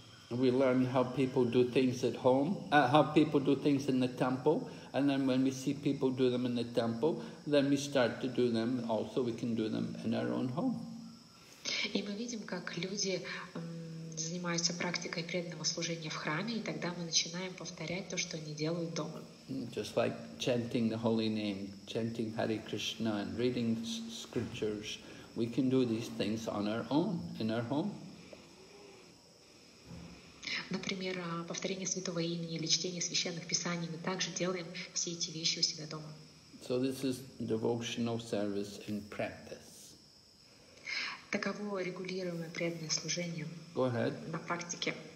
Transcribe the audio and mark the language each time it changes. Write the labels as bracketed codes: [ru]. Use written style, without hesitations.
[en] We learn how people do things at home, how people do things in the temple, and then when we see people do them in the temple, then we start to do them also, we can do them in our own home. [ru] И мы видим, как люди занимаются практикой преданного служения в храме, и тогда мы начинаем повторять то, что они делают дома. [en] Just like chanting the holy name, chanting Hare Krishna, and reading scriptures, we can do these things on our own, in our home. [ru] Например, повторение святого имени или чтение священных писаний, мы также делаем все эти вещи у себя дома. [en] So this is devotional service in practice. [ru] Таково регулируемое преданное служение. [en] Go ahead. [ru] На практике.